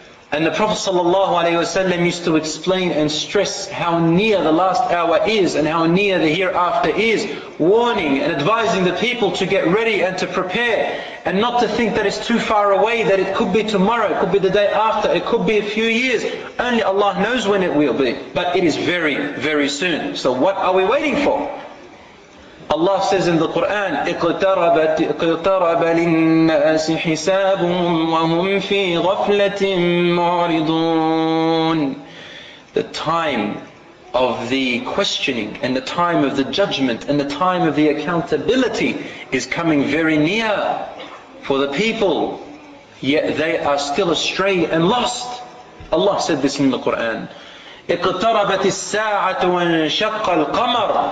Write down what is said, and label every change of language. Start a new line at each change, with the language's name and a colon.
English: And the Prophet sallallahu alaihi wasallam used to explain and stress how near the last hour is and how near the hereafter is, warning and advising the people to get ready and to prepare and not to think that it's too far away, that it could be tomorrow, it could be the day after, it could be a few years. Only Allah knows when it will be, but it is very, very soon. So what are we waiting for? Allah says in the Quran,
Arabic: اقترب للناس حسابهم وهم في غفلة معرضون.
English: The time of the questioning and the time of the judgment and the time of the accountability is coming very near for the people, yet they are still astray and lost. Allah said this in the Quran.
Arabic: اقتربت الساعة وانشق القمر.